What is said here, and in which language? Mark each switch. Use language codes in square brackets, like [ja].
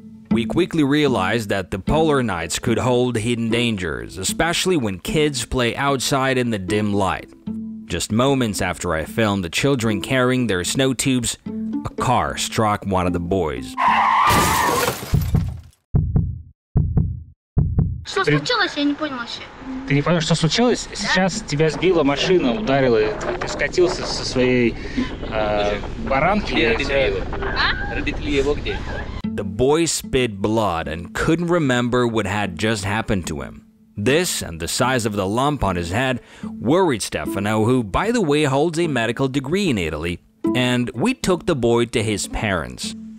[en] We quickly realized that the polar nights could hold hidden dangers, especially when kids play outside in the dim light. Just moments after I filmed the children carrying their snow tubes, a car struck one of the boys. [ru] Что случилось? Я не понял вообще. Ты не понял, что случилось? Сейчас тебя сбила машина, ударила, ты скатился со своей баранки. Родители его где? [en] The boy spit blood and couldn't remember what had just happened to him. This and the size of the lump on his head worried Stefano, who, by the way, holds a medical degree in Italy, and we took the boy to his parents.